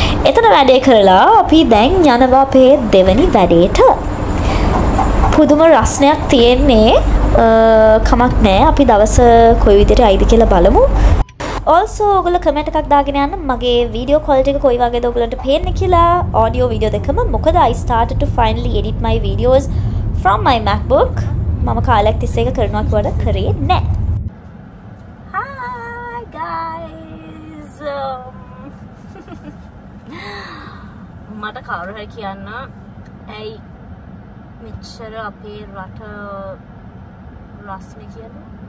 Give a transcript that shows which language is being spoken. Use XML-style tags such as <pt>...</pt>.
<si>එතන වැඩේ කරලා අපි දැන් යනවා අපේ දෙවනි වැඩේට. පුදුම රස්නයක් තියෙන්නේ. කමක් නෑ, අපි දවස කොයි විදිහට ආයිද කියලා බලමු. ඔල්සෝ ඔයගොල්ලෝ කමෙන්ට් එකක් දාගෙන යන්න මගේ වීඩියෝ ක්වලිටි එක කොයි වගේද ඔයගොල්ලන්ට පේන්නේ කියලා. ඔඩියෝ වීඩියෝ දෙකම. මොකද</si> <en>I started to finally edit my videos from my MacBook.</en> <si>මම කාලයක් තිස්සේ ඒක කරනවා කිව්වට කරේ නෑ.</si> <en>Hi guys.</en> <si>මට කවුරු හරි කියන්න ඇයි මෙච්චර අපේ රට රස්නෙ කියලා.</si>